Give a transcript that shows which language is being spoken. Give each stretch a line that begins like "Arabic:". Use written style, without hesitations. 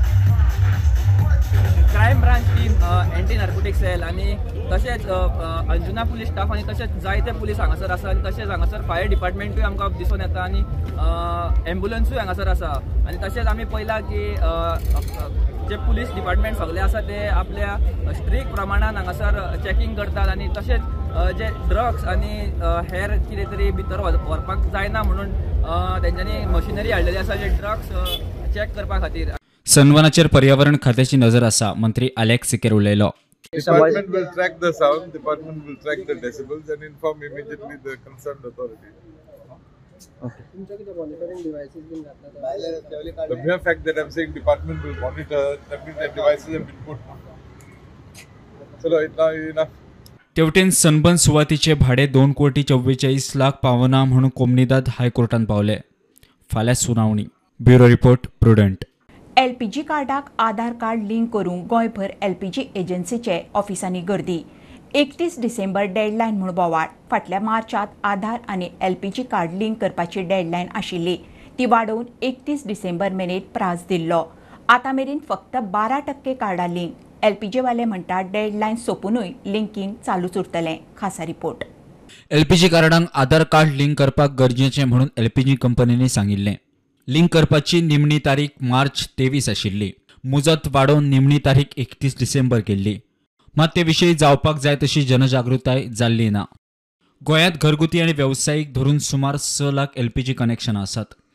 Goan Konkani: Crime branch team, anti narcotics sale आनी तशेंच Anjuna police staff आनी तशेंच जायते पुलीस हांगासर आसा आनी तशेंच हांगासर फायर डिपार्टमेंटूय आमकां दिसून येता आनी एम्बुलंसूय हांगासर आसा आनी तशेंच आमी पळयलां की जे पुलीस डिपार्टमेंट सगळे आसा ते आपल्या स्ट्रिक्ट प्रमाणान हांगासर चॅकिंग करतात आनी तशेंच जे ड्रग्स आनी हेर कितें तरी भितर व्हरपाक जायना म्हणून तेंच्यांनी मशिनरी हाडलेली आसा जे ड्रग्स चॅक करपा खातीर. सनबर्नाचेर पर्यावरण खात्याची नजर आसा, मंत्री आलेक्स सिकेर उलयलो.
English: Department will track the sound, department will track the decibels and inform immediately the concerned authority. Okay. The mere fact that I'm saying department will monitor, that means that devices have been put.
Hindi: Chalo, itna hi na.
Goan Konkani: तेवटेन sunburn सुवातीचे भाडे 2,44,00,000 पावना म्हणून कोमनिदाद हायकोर्टान पावले. फाल्यां सुनावणी. Bureau report, prudent. LPG कार्डाक आधार card link करूंक गोंयभर LPG एजन्सीचे ऑफिसांनी गर्दी. 31 डिसेंबर डेडलायन म्हूण बोवाळ. फाटल्या मार्चात आधार आनी एलपीजी कार्ड लिंक करपाची डेडलायन आशिल्ली, ती वाडोवन 31 डिसेंबर मेरेन प्राज दिल्लो. आतां मेरेन फक्त 12% कार्डां लिंक. एलपीजी वाले म्हणटा डेडलायन सोपूनय लिंकींग चालूच उरतलें. खासा रिपोर्ट. एलपीजी कार्डांक आधार कार्ड लिंक करपाक गरजेचें म्हणून एलपीजी कंपनीनी सांगिल्लें. लिंक करपाची निमणी तारीख मार्च 23 आशिल्ली, मुजत वाडोवन निमणी तारीख 31 डिसेंबर केल्ली. मात ते विशीं जावपाक जाय तशी जनजागृताय जाल्ली ना. गोंयांत घरगुती आनी वेवसायीक धरून सुमार 6,00,000 एलपीजी कनेक्शनां आसात.